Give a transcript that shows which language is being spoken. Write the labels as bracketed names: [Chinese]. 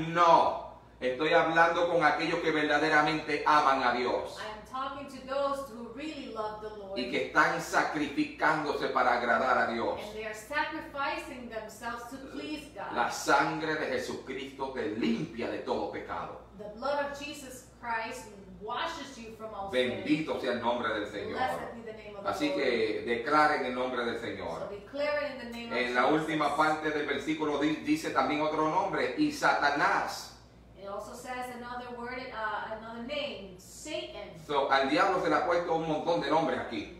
[Spanish] No, estoy hablando con aquellos que verdaderamente aman a Dios. [English] Talking to those who really love the Lord. [Spanish] Y que están sacrificándose para agradar a Dios. [English] And they are sacrificing themselves to please God. [Spanish] La sangre de Jesucristo te limpia de todo pecado. [English] The blood of Jesus Christ washes you from all sin. [Spanish] Bendito sea el nombre del Señor. [English] Blessed be the name of the Lord. [Spanish] Así que declare en el nombre del Señor. [English] So declare in the name of Jesus. [Spanish] En la última parte del versículo dice también otro nombre, y Satanás. [English] It also says another word, another name, Satan. [Spanish] So, al diablo se le ha puesto un montón de nombres aquí.